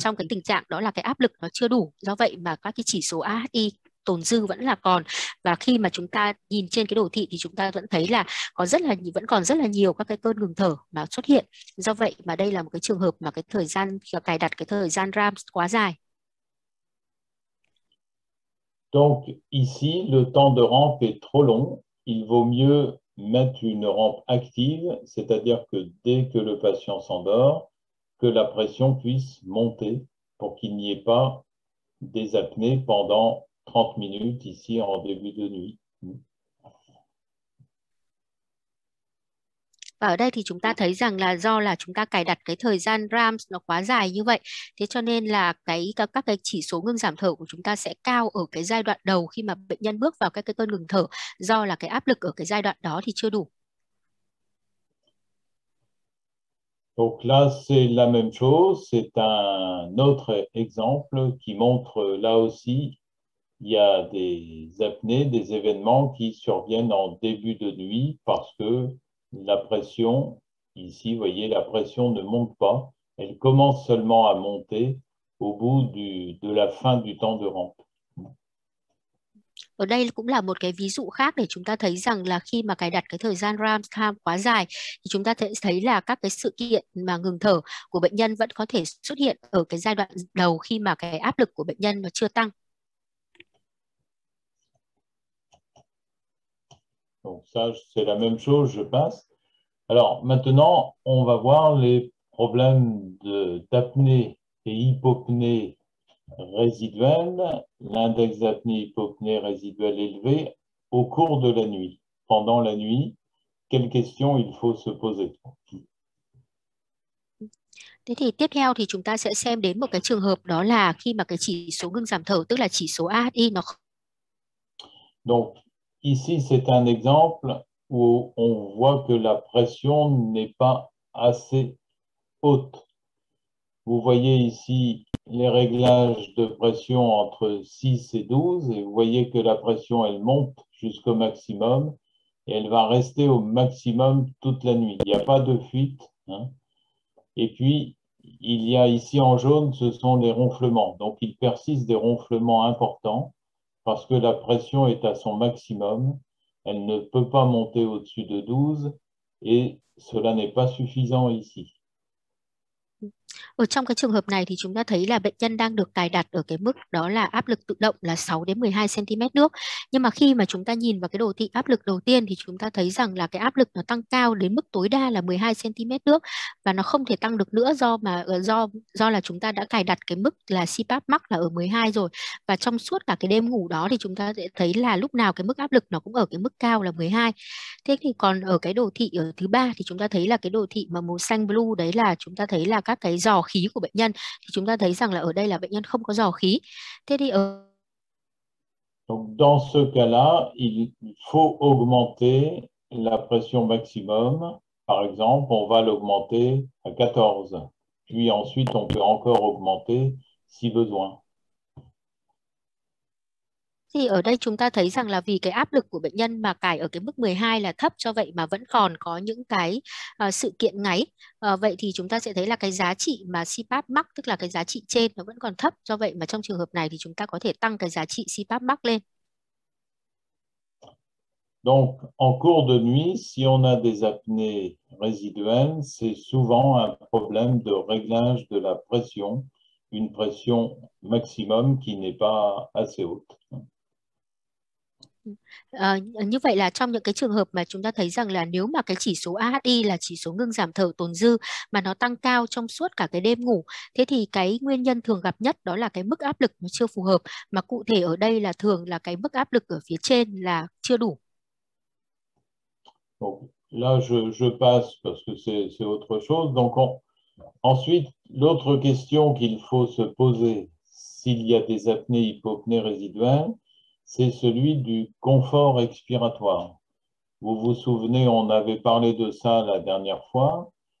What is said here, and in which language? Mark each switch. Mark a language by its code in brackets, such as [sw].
[vi] trong cái tình trạng đó là cái áp lực nó chưa đủ, do vậy mà các cái chỉ số AHI tồn dư vẫn là còn, và khi mà chúng ta nhìn trên cái đồ thị thì chúng ta vẫn thấy là vẫn còn rất là nhiều các cái cơn ngừng thở mà xuất hiện. Do vậy mà đây là một cái trường hợp mà cài đặt cái thời gian RAM quá dài. [fr] Donc ici, le temps de rampe est trop long. Il vaut mieux mettre une rampe active, c'est-à-dire que dès que le patient s'endort, que la pression puisse monter pour qu'il n'y ait pas des apnées pendant 30 minutes ici en début de nuit. [vi] Và ở đây thì chúng ta thấy rằng là do là chúng ta cài đặt cái thời gian RAM nó quá dài như vậy, thế cho nên là các cái chỉ số ngưng giảm thở của chúng ta sẽ cao ở cái giai đoạn đầu khi mà bệnh nhân bước vào các cái cơn ngừng thở, do là cái áp lực ở cái giai đoạn đó thì chưa đủ. [fr] Donc là, c'est la même chose, c'est un autre exemple qui montre là aussi, il y a des apnées, des événements qui surviennent en début de nuit parce que la pression, ici, vous voyez, la pression ne monte pas, elle commence seulement à monter au bout de la fin du temps de rampe. [vi] Ở đây cũng là một cái ví dụ khác để chúng ta thấy rằng là khi mà cài đặt cái thời gian RAM time quá dài thì chúng ta sẽ thấy là các cái sự kiện mà ngừng thở của bệnh nhân vẫn có thể xuất hiện ở cái giai đoạn đầu khi mà cái áp lực của bệnh nhân nó chưa tăng. [fr] Donc ça, c'est la même chose, je pense. Alors maintenant, on va voir les problèmes d'apnée et hypopnée résiduelle, l'index d'apnée-hypopnée résiduelle élevé au cours de la nuit. Pendant la nuit, quelles questions il faut se poser? [vi] Thế thì tiếp theo thì chúng ta sẽ xem đến một cái trường hợp, đó là khi mà cái chỉ số ngưng giảm thở, tức là chỉ số AHI nó [fr] Donc, ici, c'est un exemple où on voit que la pression n'est pas assez haute. Vous voyez ici les réglages de pression entre 6 et 12 et vous voyez que la pression, elle monte jusqu'au maximum et elle va rester au maximum toute la nuit. Il n'y a pas de fuite, hein. Et puis, il y a ici en jaune, ce sont les ronflements. Donc, il persiste des ronflements importants. Parce que la pression est à son maximum, elle ne peut pas monter au-dessus de 12 et cela n'est pas suffisant ici. [vi] ở trong cái trường hợp này thì chúng ta thấy là bệnh nhân đang được cài đặt ở cái mức đó là áp lực tự động là 6 đến 12 cm nước. Nhưng mà khi mà chúng ta nhìn vào cái đồ thị áp lực đầu tiên thì chúng ta thấy rằng là cái áp lực nó tăng cao đến mức tối đa là 12 cm nước và nó không thể tăng được nữa do là chúng ta đã cài đặt cái mức là CPAP max là ở 12 rồi. Và trong suốt cả cái đêm ngủ đó thì chúng ta sẽ thấy là lúc nào cái mức áp lực nó cũng ở cái mức cao là 12. Thế thì còn ở cái đồ thị ở thứ ba thì chúng ta thấy là cái đồ thị mà màu xanh blue, đấy là chúng ta thấy là các cái giò khí của bệnh nhân, thì chúng ta thấy rằng là ở đây là bệnh nhân không có giò khí. Thế thì ở [fr] Donc, dans ce cas-là, il faut augmenter la pression maximum. Par exemple, on va l'augmenter à 14. Puis ensuite, on peut encore augmenter si besoin. [vi] Thì ở đây chúng ta thấy rằng là vì cái áp lực của bệnh nhân mà cài ở cái mức 12 là thấp, cho vậy mà vẫn còn có những cái sự kiện ngáy. Vậy thì chúng ta sẽ thấy là cái giá trị mà CPAP max, tức là cái giá trị trên, nó vẫn còn thấp. Do vậy mà trong trường hợp này thì chúng ta có thể tăng cái giá trị CPAP max lên. [fr] Donc, en cours de nuit, si on a des apnées résiduelles, c'est souvent un problème de réglage de la pression, une pression maximum qui n'est pas assez haute. [vi] Như vậy là trong những cái trường hợp mà chúng ta thấy rằng là nếu mà cái chỉ số AHI là chỉ số ngưng giảm thở tồn dư mà nó tăng cao trong suốt cả cái đêm ngủ, thế thì cái nguyên nhân thường gặp nhất đó là cái mức áp lực nó chưa phù hợp, mà cụ thể ở đây là thường là cái mức áp lực ở phía trên là chưa đủ. [fr] Donc là, je passe parce que c'est autre chose. Donc ensuite, l'autre question qu'il faut se poser s'il y a des apnées hypopnées résiduelles, c'est celui du confort expiratoire. Vous vous souvenez, on avait parlé de ça la dernière fois.